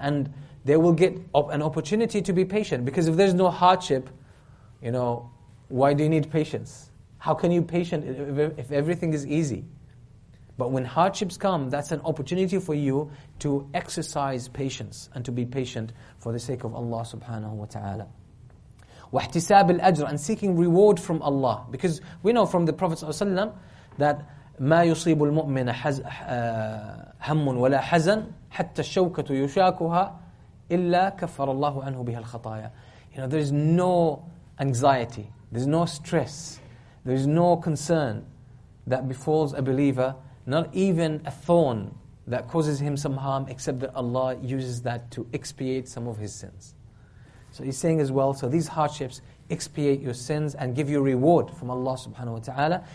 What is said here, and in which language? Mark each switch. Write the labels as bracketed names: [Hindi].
[English] And they will get an opportunity to be patient, because if there's no hardship, you know, why do you need patience? How can you be patient if everything is easy? But when hardships come, that's an opportunity for you to exercise patience and to be patient for the sake of Allah subhanahu wa ta'ala. [Arabic] وَاحْتِسَابِ الْأَجْرِ, [English] and seeking reward from Allah. Because we know from the Prophet ﷺ that [Arabic] مَا يُصِيبُ الْمُؤْمِنَ هَمٌ وَلَا حَزَنٌ حَتَّى الشَّوْكَةُ يُشَاكُهَا إِلَّا كَفَّرَ اللَّهُ عَنْهُ بِهَا الْخَطَايَا. [English] You know, there is no anxiety, there is no stress, there is no concern that befalls a believer, not even a thorn that causes him some harm, except that Allah uses that to expiate some of his sins. So he's saying as well, so these hardships expiate your sins and give you reward from Allah subhanahu wa ta'ala.